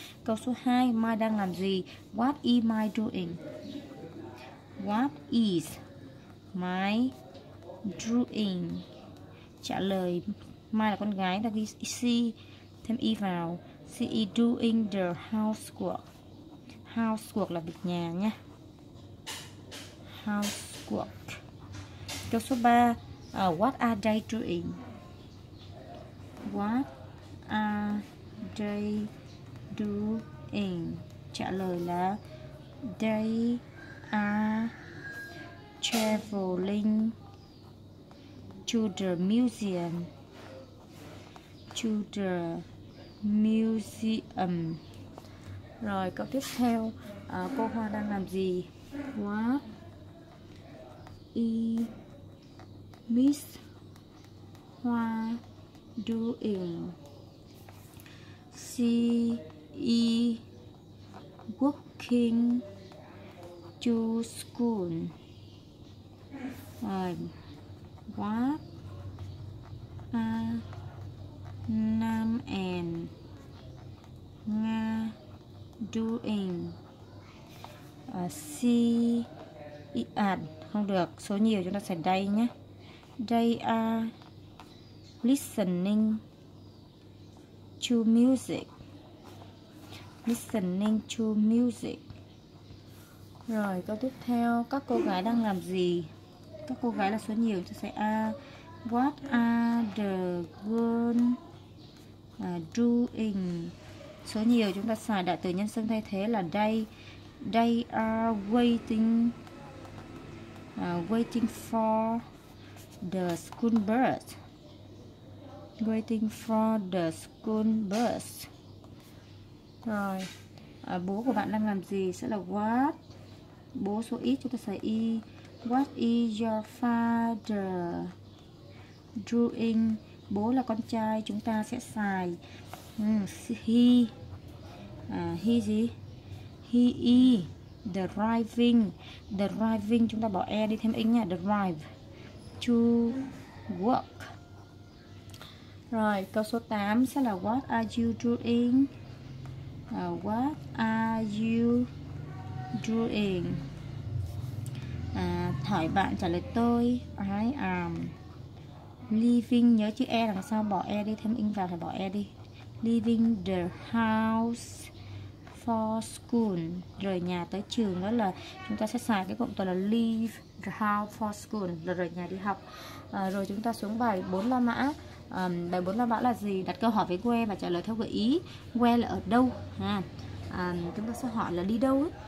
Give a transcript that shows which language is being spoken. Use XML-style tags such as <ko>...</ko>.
<vi>Câu số 2, Mai đang làm gì,</vi> <en>what is Mai doing,</en> <vi>what is Mai doing, trả lời Mai là con gái, ta ghi she, thêm y vào,</vi> <en>she is doing the housework.</en> <vi>Housework là việc nhà nhé.</vi> <en>Housework.</en> <vi>Câu số 3,</vi> <en>what are they doing? What are they doing?</en> <vi>Trả lời là</vi> <en>they are traveling to the museum. To the museum.</en> <vi>Rồi câu tiếp theo, cô Hoa đang làm gì?</vi> <en>What Miss Hoa doing? She is walking to school. What are Nam and Nga doing? She is at.</en> <vi>Không được, số nhiều chúng ta sẽ đây nhé.</vi> <en>They are listening to music. Listening to music.</en> <vi>Rồi, câu tiếp theo. Các cô gái đang làm gì? Các cô gái là số nhiều, chúng ta sẽ A.</vi> <en>What are the girls doing?</en> <vi>Số nhiều chúng ta xài đại từ nhân xưng thay thế là they.</vi> <en>They are waiting. Waiting for the school bus. Waiting for the school bus.</en> <vi>Rồi, bố của bạn đang làm gì? Sẽ là what. Bố số ít chúng ta sẽ E.</vi> <en>What is your father doing?</en> <vi>Bố là con trai, chúng ta sẽ xài he. He gì?</vi> <en>He is driving.</en> <vi>Driving chúng ta bỏ e đi, thêm in nha.</vi> <en>Drive to work.</en> <vi>Rồi câu số 8 sẽ là</vi> <en>what are you doing. What are you doing?</en> <vi>Hỏi bạn trả lời tôi.</vi> <en>I am leaving.</en> <vi>Nhớ chữ e đằng sau, bỏ e đi, thêm in vào phải bỏ e đi.</vi> <en>Leaving the house for school.</en> <vi>Rời nhà tới trường, đó là chúng ta sẽ xài cái cụm từ là</vi> <en>leave the house for school,</en> <vi>là rời nhà đi học. Rồi chúng ta xuống bài 4 La Mã. Bài 4 La Mã là gì? Đặt câu hỏi với where và trả lời theo gợi ý. Where là ở đâu ha. Chúng ta sẽ hỏi là đi đâu.</vi>